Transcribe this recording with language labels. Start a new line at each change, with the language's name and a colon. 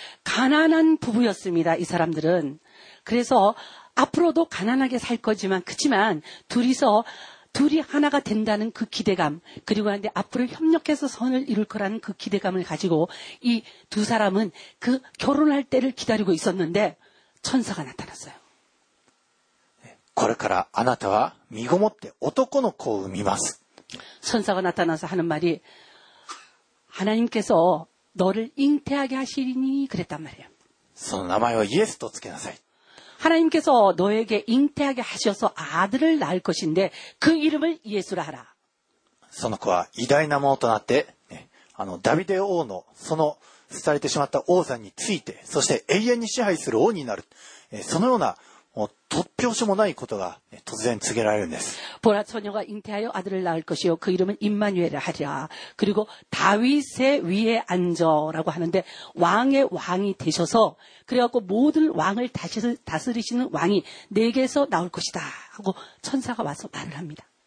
Korean: 가난한부부였습니다이사람들은그래서앞으로도가난하게살거지만그치만둘이서둘이하나가된다는그기대감그리고한데앞으로협력해서선을이룰거라는그기대감을가지고이두사람은그결혼할때를기다리고있었는데천사가나타났어요
Japanese: 그래からあなたは身ごもって男の子を産みます
Korean: 천사가나타나서하는말이하나님께서너를잉태하게하시리니그랬단말이에요
Japanese: その名前をイエスとつけなさい
Korean: 하나님께서너에게잉태하게하셔서아들을낳을것인데그이름을예수라하라
Japanese: その子は偉大なものとなって、ね、あのダビデ王のその廃れてしまった王座についてそして永遠に支配する王になるそのようなもう突拍子もないことが、ね、突然告げられるんです
Korean: 보라처녀가잉태하여아들을낳을것이요그이름은임마누엘을하랴그리고다윗의위에앉어라고하는데왕의왕이되셔서그래갖고모든왕을다스리시는왕이내게서나올것이다하고천사가와서말을합니다